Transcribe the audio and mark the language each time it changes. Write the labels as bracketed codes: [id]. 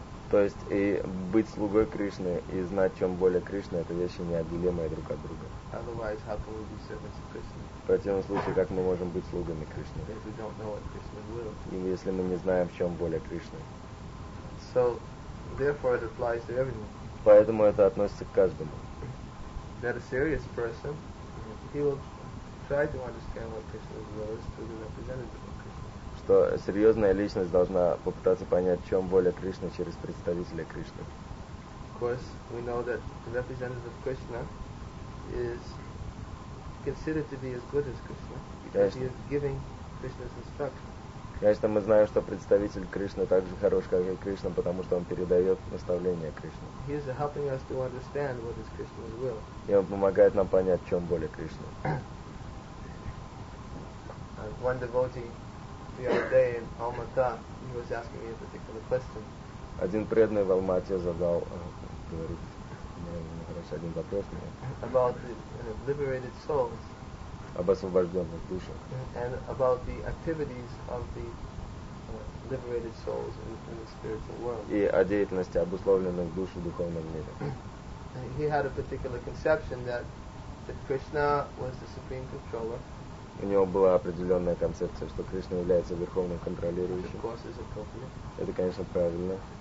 [ru] То есть и быть слугой Кришны и знать, чем воля Кришны, это вещи неотделимые друг от друга. [en] Otherwise, how can we be servants of Krishna? [ru] В противном случае, как мы можем быть слугами Кришны? [en] If we don't know what Krishna's will. [ru] И если мы не знаем, в чем воля Кришны. [en] So, therefore, it applies to everyone. [ru] Поэтому это относится к каждому. [en] That a serious person, he will try to understand what Krishna's will is through the representative. [ru] Что серьезная личность должна попытаться понять, в чем воля Кришны через представителя Кришны. [en] Of course, we know that the representative of Krishna is considered to be as good as Krishna, because he is giving Krishna's instruction. [ru] Конечно, мы знаем, что представитель Кришны так же хорош, как и Кришна, потому что он передает наставление Кришне. [en] He is helping us to understand what is Krishna's will. [ru] И он помогает нам понять, в чем воля Кришны. [en] One devotee the other day in Almaty, he was asking me a particular question. [ru] Один преданный в Алмате задал, говорит, хорошо, один вопрос мне. [en] About the liberated souls. [ru] Об освобожденных душах. [en] And about the activities of the liberated souls in the spiritual world. [ru] И о деятельности обусловленных душ в духовном мире. [en] He had a particular conception that Krishna was the supreme controller. [ru] У него была определенная концепция, что Кришна является верховным контролирующим. Это, конечно, правильно.